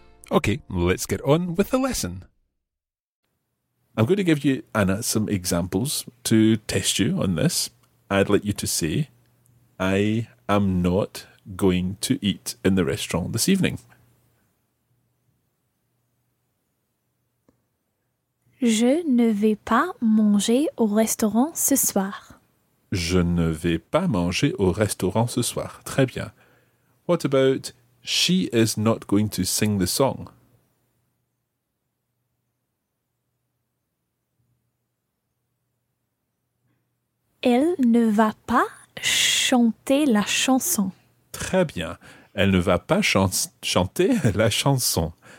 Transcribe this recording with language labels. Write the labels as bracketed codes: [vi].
[en] Okay, let's get on with the lesson. I'm going to give you, Anna, some examples to test you on this. I'd like you to say, I am not going to eat in the restaurant this evening. [fr] Je ne vais pas manger au restaurant ce soir. Je ne vais pas manger au restaurant ce soir. Très bien. [en] What about... She is not going to sing the song. [fr] Elle ne va pas chanter la chanson. Très bien. Elle ne va pas chanter la chanson.